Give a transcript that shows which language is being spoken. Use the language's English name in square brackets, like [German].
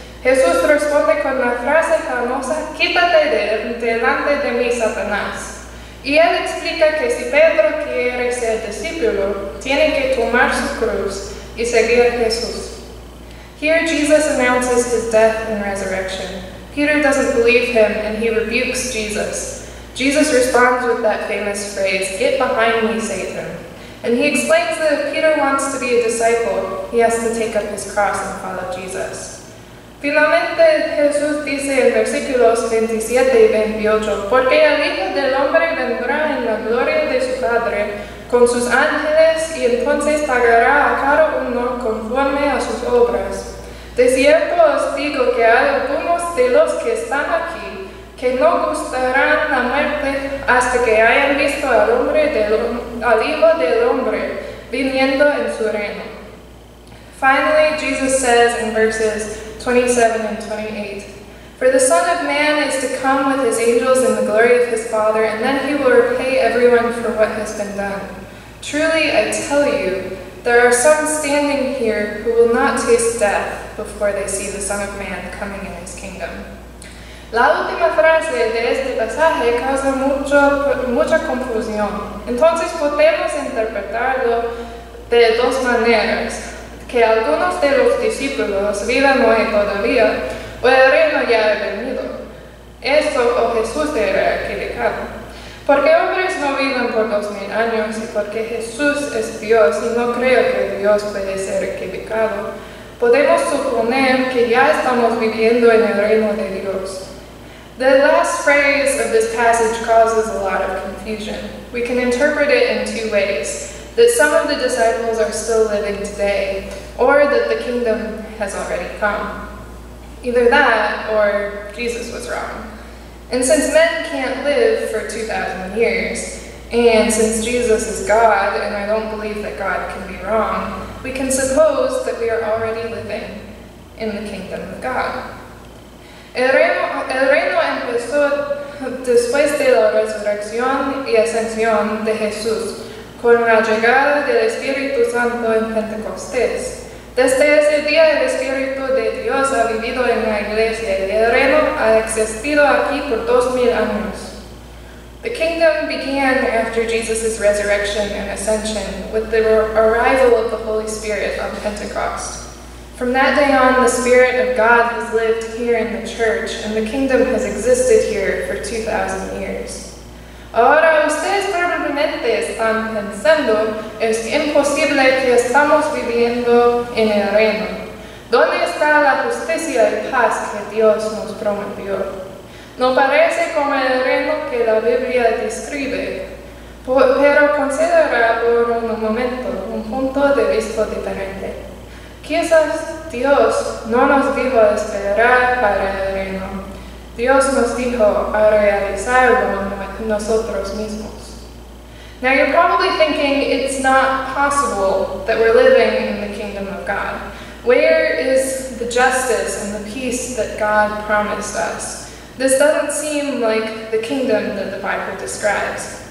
[Spanish] Jesús responde con la frase famosa, quítate de delante de mí, Satanás. Y él explica que si Pedro quiere ser discípulo, tiene que tomar su cruz y seguir a Jesús. [English] Here Jesus announces his death and resurrection. Peter doesn't believe him and he rebukes Jesus. Jesus responds with that famous phrase, get behind me, Satan. And he explains that if Peter wants to be a disciple, he has to take up his cross and follow Jesus. [Spanish] Finalmente, Jesús dice en versículos 27 y 28, porque el Hijo del Hombre vendrá en la gloria de su Padre con sus ángeles y entonces pagará a cada uno conforme a sus obras. De cierto os digo que hay algunos de los que están aquí que no gustarán la muerte hasta que hayan visto al Hijo del Hombre viniendo en su reino. [English] Finally, Jesus says in verses 27 and 28, For the Son of Man is to come with his angels in the glory of his Father, and then he will repay everyone for what has been done. Truly, I tell you, there are some standing here who will not taste death before they see the Son of Man coming in his kingdom. [Spanish] La última frase de este pasaje causa mucha confusión. Entonces podemos interpretarlo de dos maneras. Que algunos de los discípulos vivan hoy todavía, o el reino ya ha venido. Esto o Jesús era equivocado. Porque hombres no viven por 2000 años y porque Jesús es Dios y no creo que Dios puede ser equivocado, podemos suponer que ya estamos viviendo en el reino de Dios. [English] The last phrase of this passage causes a lot of confusion. We can interpret it in two ways, that some of the disciples are still living today, or that the kingdom has already come. Either that, or Jesus was wrong. And since men can't live for 2,000 years, and since Jesus is God, and I don't believe that God can be wrong, we can suppose that we are already living in the kingdom of God. [Spanish] El reino empezó después de la resurrección y ascensión de Jesús, con la llegada del Espíritu Santo en Pentecostés. Desde ese día el Espíritu de Dios ha vivido en la iglesia y el reino ha existido aquí por 2000 años. [English] The kingdom began after Jesus' resurrection and ascension with the arrival of the Holy Spirit on Pentecost. From that day on, the Spirit of God has lived here in the church and the kingdom has existed here for 2,000 years. [Spanish] Ahora ustedes probablemente están pensando, es imposible que estamos viviendo en el reino. ¿Dónde está la justicia y paz que Dios nos prometió? No parece como el reino que la Biblia describe, pero considera por un momento un punto de vista diferente. Quizás Dios no nos dijo esperar para el reino. Dios nos dijo a realizarlo nosotros mismos. [English] Now you're probably thinking it's not possible that we're living in the kingdom of God. Where is the justice and the peace that God promised us? This doesn't seem like the kingdom that the Bible describes.